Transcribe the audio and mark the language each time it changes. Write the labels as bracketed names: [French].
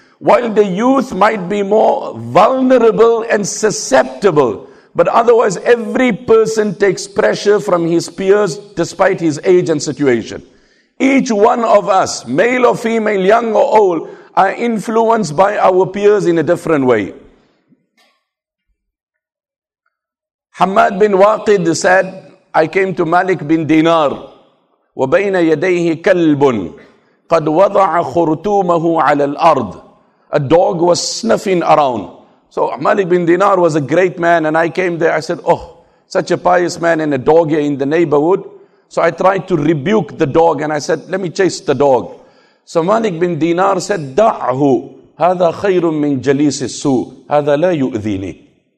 [English] While the youth might be more vulnerable and susceptible, but otherwise every person takes pressure from his peers despite his age and situation. Each one of us, male or female, young or old, are influenced by our peers in a different way. Hamad bin Waqid said, I came to Malik bin Dinar. [Arabic] وبين يديه كلب قد وضع خرطومه على الأرض. [English] A dog was sniffing around. So Malik bin Dinar was a great man, and I came there. I said, oh, such a pious man and a dog here in the neighborhood. So I tried to rebuke the dog and I said, let me chase the dog. So Malik bin Dinar said, [Arabic] da'ahu, hadha khayrun min jalisi su, hadha la yu'dhini.